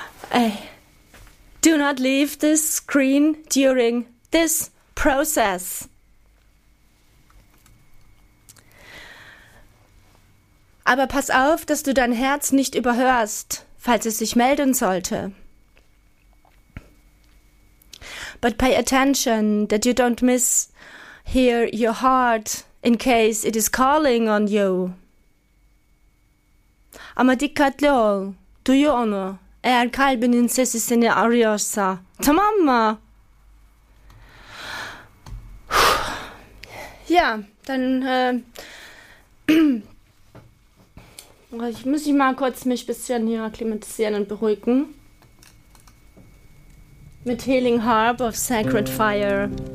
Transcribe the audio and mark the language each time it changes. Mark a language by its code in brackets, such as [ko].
[en] Hey, do not leave this screen during this process. [de] Aber pass auf, dass du dein Herz nicht überhörst, falls es sich melden sollte. [en] But pay attention that you don't miss hear your heart in case it is calling on you. [tr] Ama dikkatli ol, duyu onu. Eğer kalbinin sesi seni arıyorsa, tamam mı? [de] Ja, dann ich muss mal kurz mich bisschen hier akklimatisieren und beruhigen. Mit Healing Harp of Sacred Fire.